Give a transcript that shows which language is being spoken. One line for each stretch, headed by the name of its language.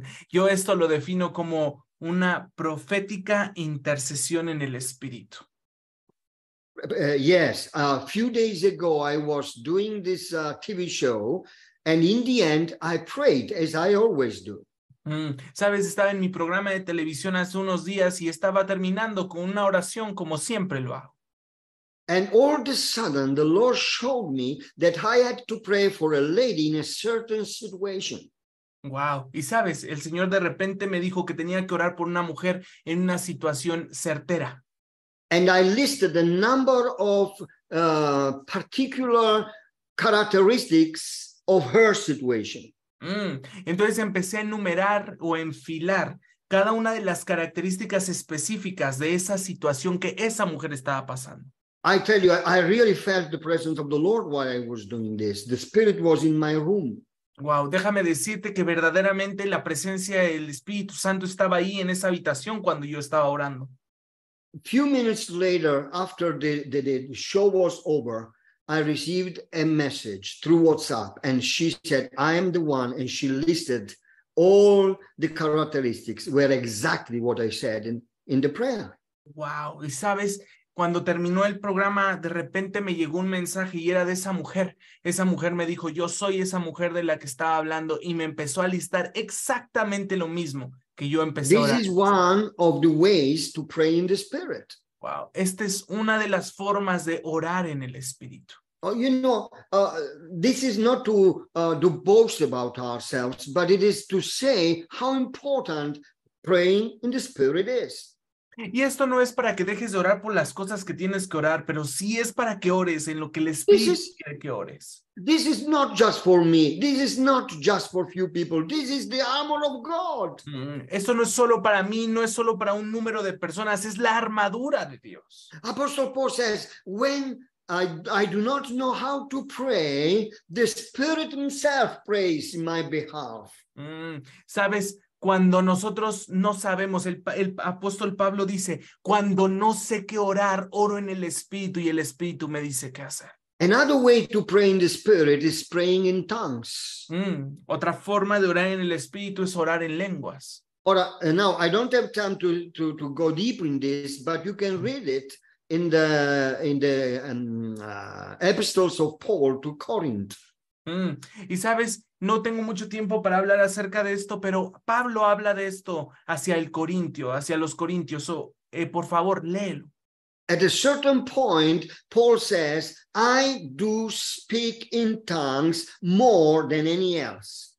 Spanish: Yo esto lo defino como una profética intercesión en el Espíritu.
English: Yes, a few days ago I was doing this TV show and in the end I prayed as I always do.
Spanish: Sabes, estaba en mi programa de televisión hace unos días y estaba terminando con una oración como siempre lo hago.
English: And all of a sudden the Lord showed me that I had to pray for a lady in a certain situation.
Spanish: Wow, y sabes, el Señor de repente me dijo que tenía que orar por una mujer en una situación certera.
English: And I listed a number of particular characteristics of her situation.
Spanish: Entonces empecé a enumerar o enfilar cada una de las características específicas de esa situación que esa mujer estaba pasando.
English: I tell you, I really felt the presence of the Lord while I was doing this. The Spirit was in my room.
Spanish: Wow, déjame decirte que verdaderamente la presencia del Espíritu Santo estaba ahí en esa habitación cuando yo estaba orando.
English: A few minutes later, after the show was over, I received a message through WhatsApp, and she said, I am the one, and she listed all the characteristics, were exactly what I said in the prayer.
Spanish: Wow, y sabes, cuando terminó el programa, de repente me llegó un mensaje y era de esa mujer. Esa mujer me dijo, yo soy esa mujer de la que estaba hablando, y me empezó a listar exactamente lo mismo que yo empecé a orar.
English: This is one of the ways to pray in the Spirit.
Spanish: Wow, esta es una de las formas de orar en el Espíritu.
English: Oh, you know, this is not to boast about ourselves, but it is to say how important praying in the Spirit is.
Spanish: Y esto no es para que dejes de orar por las cosas que tienes que orar, pero sí es para que ores en lo que el Espíritu quiere que ores.
English: This is not just for me. This is not just for few people. This is the armor of God.
Spanish: Esto no es solo para mí, no es solo para un número de personas, es la armadura de Dios.
English: Apostle Paul says, when I do not know how to pray, the Spirit himself prays in my behalf.
Spanish: ¿Sabes? Cuando nosotros no sabemos, el apóstol Pablo dice, cuando no sé qué orar, oro en el Espíritu y el Espíritu me dice qué hacer.
English: Another way to pray in the Spirit is praying in tongues.
Spanish: Otra forma de orar en el Espíritu es orar en lenguas. Ahora,
English: now, I don't have time to go deep in this, but you can read it in the epistles of Paul to Corinth.
Spanish: Y sabes, no tengo mucho tiempo para hablar acerca de esto, pero Pablo habla de esto hacia los corintios. Por favor, léelo.
English: At a certain point, Paul says, I do speak in tongues more than any else.